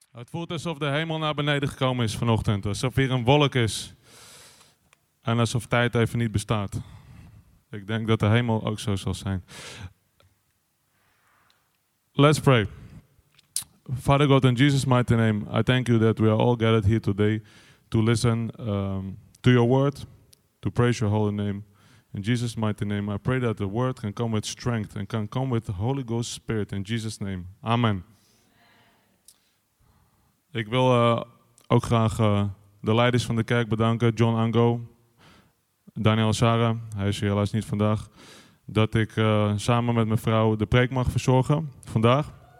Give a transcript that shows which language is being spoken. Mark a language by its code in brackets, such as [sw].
[nl] Het voelt alsof de hemel naar beneden gekomen is vanochtend. Alsof hier een wolk is. En alsof tijd even niet bestaat. Ik denk dat de hemel ook zo zal zijn. [en] Let's pray. Father God, in Jesus' mighty name, I thank you that we are all gathered here today to listen to your word, to praise your holy name. In Jesus' mighty name, I pray that the word can come with strength and can come with the Holy Ghost Spirit. In Jesus' name, amen. [nl] Ik wil ook graag de leiders van de kerk bedanken, John Ango, Daniel Sara, hij is hier helaas niet vandaag, dat ik samen met mijn vrouw de preek mag verzorgen vandaag.